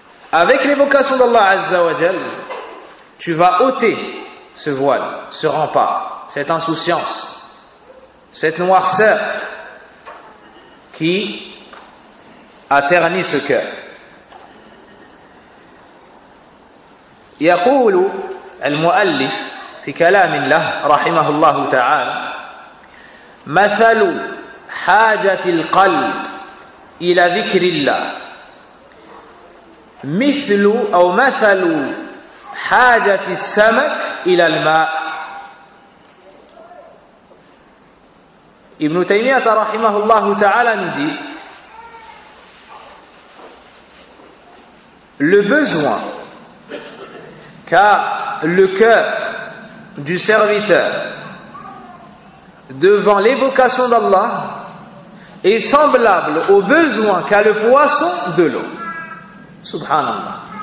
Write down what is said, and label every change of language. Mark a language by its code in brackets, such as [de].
[fr] Avec l'évocation d'Allah Azza wa Jal, tu vas ôter ce voile, ce rempart, cette insouciance, cette noirceur qui a terni ce cœur. [ar] Yaqulu al-mu'allif fi kalamin lah rahimahullah ta'ala: مثل حاجة القلب إلى ذكر الله مثل أو مثل حاجة السمك إلى الماء. [fr] ابن تيمية [ar] رحمه الله تعالى ندي [fr] le besoin car le cœur du serviteur devant l'évocation d'Allah est semblable au besoin qu'a le poisson de l'eau. Subhanallah.